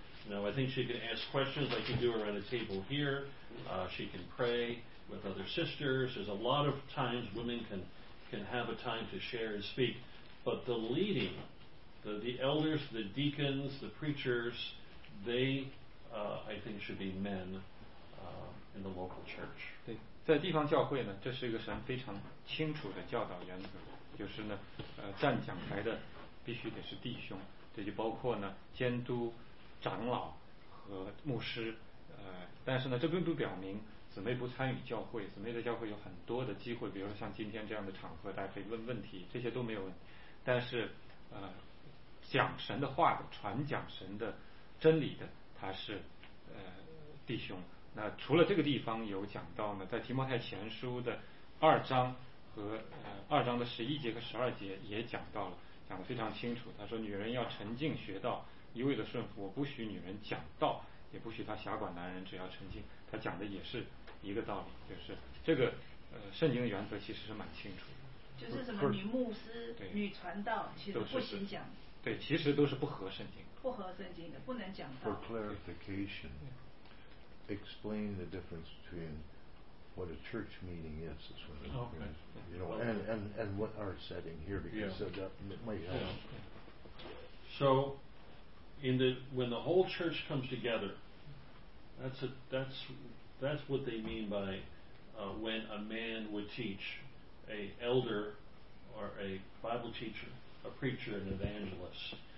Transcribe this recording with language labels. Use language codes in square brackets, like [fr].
[en] Now, I think she can ask questions like you do around a table here. She can pray with other sisters. There's a lot of times women can have a time to share and speak. But the leading, the elders, the deacons, the preachers, they, I think, should be men in the local church. [zh] 对，在地方教会呢，这是一个神非常清楚的教导原则。就是呢，站讲台的必须得是弟兄，这就包括呢监督长老和牧师，但是呢，这并不表明姊妹不参与教会，姊妹在教会有很多的机会，比如说像今天这样的场合，大家可以问问题，这些都没有问题。但是，讲神的话的，传讲神的真理的，他是弟兄。那除了这个地方有讲到呢，在提摩太前书的二章。和二章的十一节和十二节也讲到了，讲得非常清楚。他说女人要沉静学道，一味的顺服，我不许女人讲道，也不许她辖管男人，只要沉静。他讲的也是一个道理，就是这个圣经的原则其实是蛮清楚的，就是什么女牧师、女传道其实不行讲，对，其实都是不合圣经，不合圣经的，不能讲道。 [en] For clarification, explain the difference between what a church meeting is, is when okay. you know, and what our setting here, because yeah. of that, it might help. Yeah. So, when the whole church comes together, that's what they mean by when a man would teach, a elder, or a Bible teacher, a preacher, an evangelist.